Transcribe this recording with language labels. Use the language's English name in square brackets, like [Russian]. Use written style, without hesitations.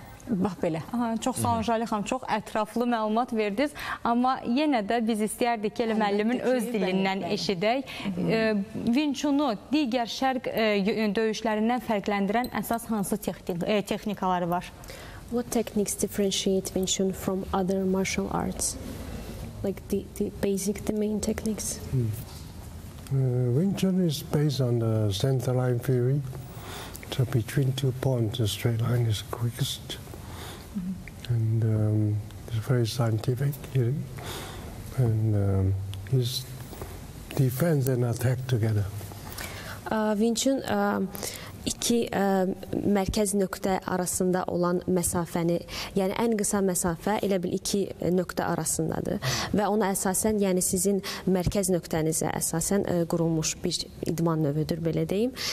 [Azerbaijani] Bax belə. Aha, çox sağ olun Jəlil xanım, çox ətraflı məlumat verdiniz. Amma yenə də biz istəyərdik ki, elə müəllimin öz dilindən eşidək. Wing Chun-u digər şərq döyüşlərindən fərqləndirən əsas hansı texnikaları var? [English] What techniques differentiate Wing Chun from other martial arts? Like the basic, the main techniques? Wing Chun is based on the center line theory. So between two points, the straight line is quickest. And it's very scientific, and his defense and attack together. [Azerbaijani] Wing Chun iki mərkəz nöqtə arasında olan məsafəni, yəni ən qısa məsafə elə bil iki nöqtə arasındadır və ona əsasən, yəni sizin mərkəz nöqtənizə əsasən qurulmuş bir idman növüdür, belə deyim.